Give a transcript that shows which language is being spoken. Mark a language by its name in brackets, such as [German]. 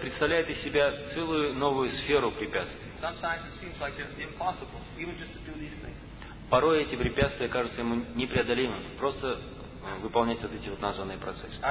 [Russian] Представляет из себя целую новую сферу препятствий. [English] Sometimes it seems like it's impossible, even just to do these things. [Russian] Порой эти препятствия кажутся ему непреодолимым, просто выполнять вот эти вот названные процессы.